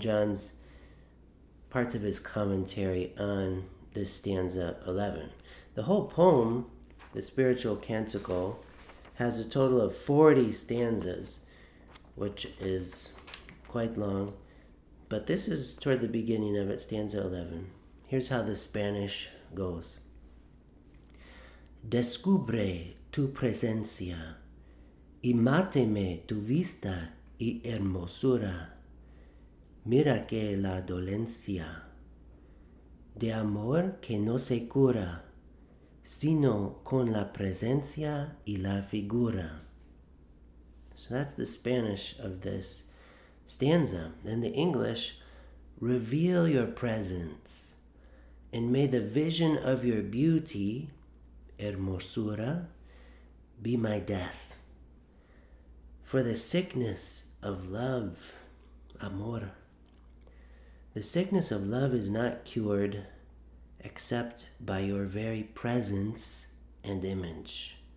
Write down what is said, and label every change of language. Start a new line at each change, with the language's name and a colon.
English: John's parts of his commentary on this stanza 11. The whole poem, the spiritual canticle, has a total of 40 stanzas, which is quite long, but this is toward the beginning of it, stanza 11. Here's how the Spanish goes.
Spanish: Descubre tu presencia, y máteme tu vista y hermosura. Mira que la dolencia de amor que no se cura, sino con la presencia y la figura.
English: So that's the Spanish of this stanza. In the English, reveal your presence, and may the vision of your beauty, hermosura, be my death. For the sickness of love, amor, the sickness of love is not cured except by your very presence and image.